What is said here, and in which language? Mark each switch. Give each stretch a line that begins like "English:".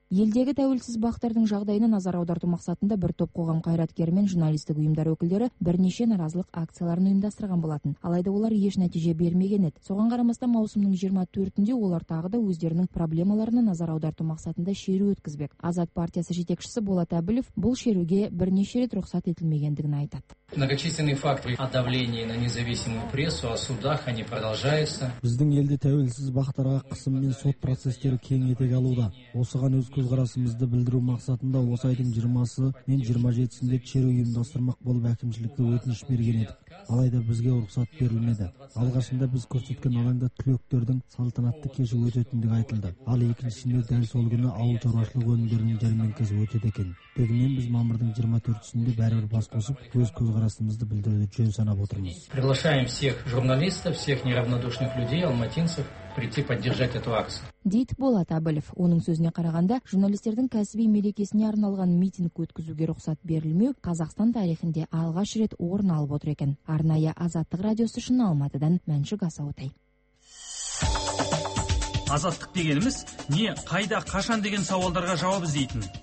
Kazakh: Елдегі тәуелсіз бақтардың жағдайына назар аударту мақсатында бір топ қоғам қайраткері мен журналистік ұйымдар өкілдері бірнеше наразылық акцияларын ұйымдастырған болатын. Алайда олар еш нәтиже бермеген еді. Соған қарамастан маусымның 24-інде олар тағы да өздерінің проблемаларына назар аударту мақсатында шеру өткізбек. Азат партиясы жетекшісі Болат Әбілов бұл шеруге бірнеше рет рұқсат етілмегендігін айтады.
Russian: Многочисленные факторы о давлении на независимую прессу, о судах, они продолжаются.
Kazakh: Біздің елде тәуелсіз бақтарға қысым мен сот процестері кең етек алуда. Осыған өз көзқарасымызды білдіру мақсатында осы айдың 20-сы мен 27-сінде шеру ұйымдастырмақ болып әкімшілікке өтініш берген едік. Алайда бізге рұқсат берілмеді. Алғашында біз көрсеткен алаңда түлектердің салтанатты кеші өтетіндігі айтылды. Ал екіншісінде дәл сол күні ауыл шаруашылығы өнімдерінің жәрмеңкесі өтеді екен. Дегенмен біз мамырдың 24-сінде бәрібір бас қосып өз көзқарасымызды білдіруді жөн санап отырмыз.
Russian: Приглашаем всех журналистов, всех неравнодушных людей, алматинцев прийти поддержать эту акцию.
Kazakh: Дейді Болат Әбілов. Оның сөзіне қарағанда, журналистердің кәсіби мерекесіне арналған митинг өткізуге рұқсат берілмеу Қазақстан тарихында алғаш рет орын алып отыр екен. Арнайы Азаттық радиосы үшін Алматыдан Мәншүк Асаутай. Азаттық дегеніміз не, қайда, қашан деген сауалдарға жауап іздейтін.